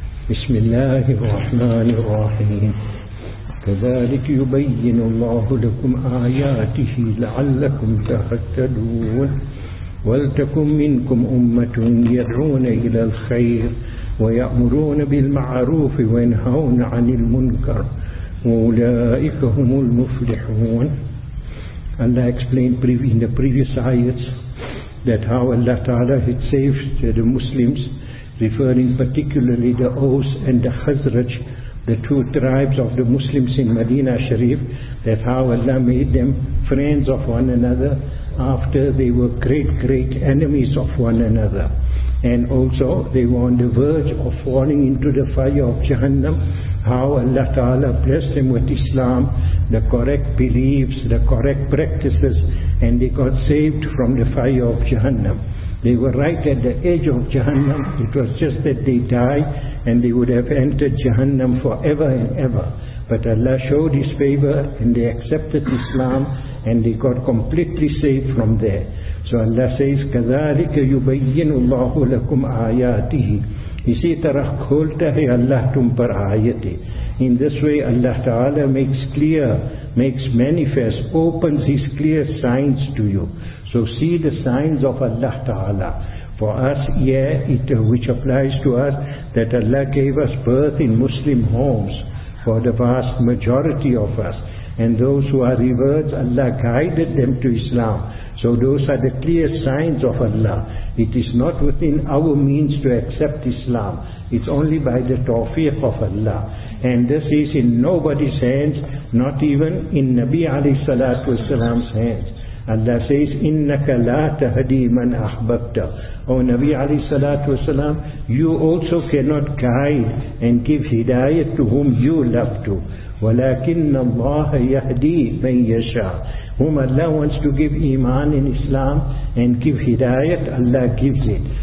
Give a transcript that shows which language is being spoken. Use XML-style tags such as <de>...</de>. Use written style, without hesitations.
<ar>بسم الله الرحمن الرحيم. كذلك يبين الله لكم آياته لعلكم تهتدون. ولتكن منكم أمة يدعون إلى الخير ويأمرون بالمعروف وينهون عن المنكر وأولئك هم المفلحون.</ar> <en>Allah explained in the previous ayats that how Allah Ta'ala had saved the Muslims, referring particularly the Aws and the Khazraj, the two tribes of the Muslims in Medina Sharif, that how Allah made them friends of one another after they were great, great enemies of one another. And also they were on the verge of falling into the fire of Jahannam, how Allah Ta'ala blessed them with Islam, the correct beliefs, the correct practices, and they got saved from the fire of Jahannam. They were right at the edge of Jahannam. It was just that they died and they would have entered Jahannam forever and ever. But Allah showed His favor and they accepted Islam and they got completely saved from there. So Allah says,</en> <ar>كَذَلِكَ يُبَيِّنُ اللَّهُ لَكُمْ آيَاتِهِ.</ar> <ur>اسی طرح کھولتا ہے اللہ تم پر آیتیں.</ur> <en>In this way Allah Ta'ala makes clear, makes manifest, opens His clear signs to you. So see the signs of Allah Ta'ala. For us, yeah, it which applies to us, that Allah gave us birth in Muslim homes for the vast majority of us. And those who are reverts, Allah guided them to Islam. So those are the clear signs of Allah. It is not within our means to accept Islam. It's only by the tawfiq of Allah. And this is in nobody's hands, not even in Nabi alayhi salatu wasalam's hands. Allah says,</en> <ar>إِنَّكَ لَا تَهَدِي مَنْ أَحْبَبْتَ.</ar> <en>O Nabi alayhi salatu wasalam, you also cannot guide and give hidayah to whom you love to.</en> <ar>وَلَكِنَّ اللَّهَ يَهْدِي مَنْ يَشَاء.</ar> <en>Whom Allah wants to give Iman in Islam and give hidayat, Allah gives it.</en>